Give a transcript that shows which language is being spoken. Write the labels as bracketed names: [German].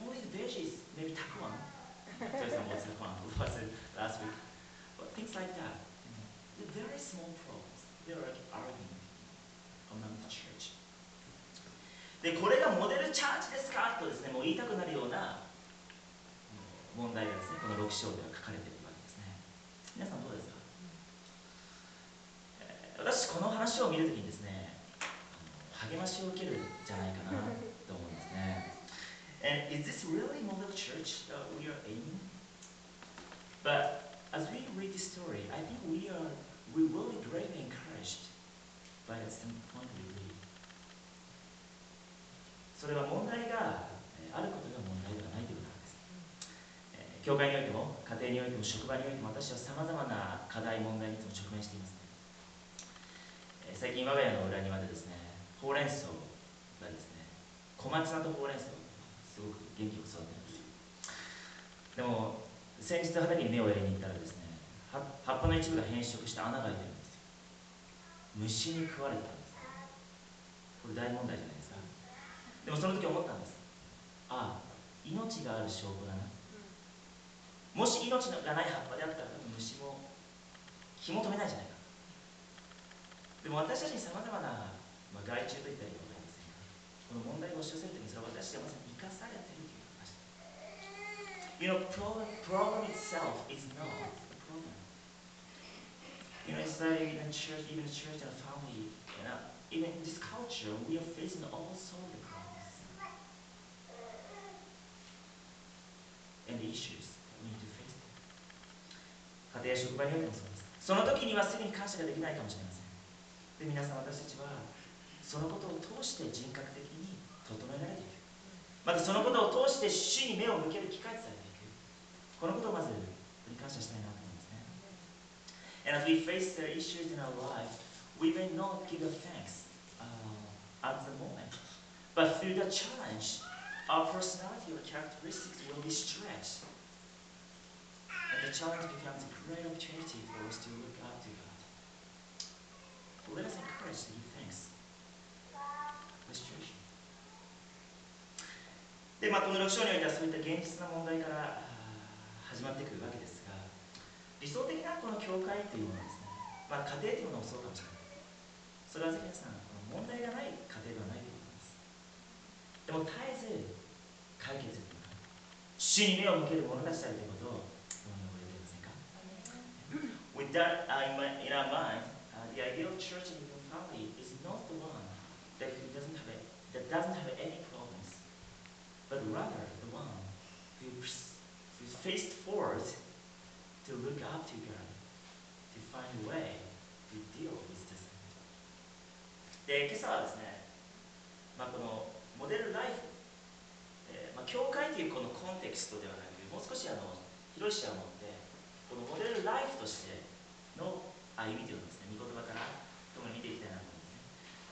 [English] Veggies, maybe takuan. For example, takuan was last week. But things like that, the very small problems, they are like arguing among the church. [Japanese] で、これがモデルチャーチですかとですね、もう言いたくなるような問題がですね、この6章では書かれているわけですね。皆さんどうですか？私、この話を見るときにですね、励ましを受けるじゃないかなと思うんですね。 [English] And is this really model church that we are aiming? But as we read this story, I think we will be greatly encouraged by the same point we read. So [Japanese] それは問題が、あることが問題ではないということなんです。教会においても、家庭においても、職場においても、私は様々な課題、問題にいつも直面しています。最近我が家の裏庭でですね、ほうれん草がですね、小松菜とほうれん草すごく元気よく育ってるんですよ。でも先日畑に根をやりに行ったらですね、葉っぱの一部が変色した穴が開いてるんですよ。虫に食われたんです。これ大問題じゃないですか。でもその時思ったんです。ああ、命がある証拠だな。もし命がない葉っぱであったら虫も気も止めないじゃないか。でも私たちにさまざまな、害虫といったりもありませんが、この問題を押し寄せるときに、それは私たちがまさに生かされているという話です。 [English] You know, problem itself is not a problem. You know, it's like even a church and a family, you know, even in this culture, we are facing all sorts of problems and issues that we need to face. [Japanese] 家庭や職場においてもそうです。そのときにはすぐに感謝ができないかもしれません。で皆さん、私たちはそのことを通して人格的に整えられていく、またそのことを通して主に目を向ける機会とされていく、このことをまず感謝したいなと思いますね。 [English] And as we face the issues in our life, we may not give a thanks at the moment, but through the challenge, our personality or characteristics will be stretched, and the challenge becomes a great opportunity for us to look up to God. Let us encourage to give thanks. The situation. [Japanese] で、まあ、この6章においてはそういった現実な問題から始まってくるわけですが、理想的なこの教会というものはですね、まあ、家庭というものもそうかもしれない。それはぜひ皆さん、この問題がない家庭ではないと思います。でも絶えず解決するとか、主に目を向ける者たちであるということを思い覚えていませんか。 [English] With that in our mind,The idea of church and even family is not the one that doesn't have any problems, but rather the one who's faced forward to look up to God, to find a way to deal with this. [Japanese] で、今朝はですね、まあ、このモデルライフ、まあ、教会というこのコンテクストではなく、もう少し広い視野を持って、このモデルライフとしての歩みというのですね、御言葉から共に見ていきたいなと思いますね。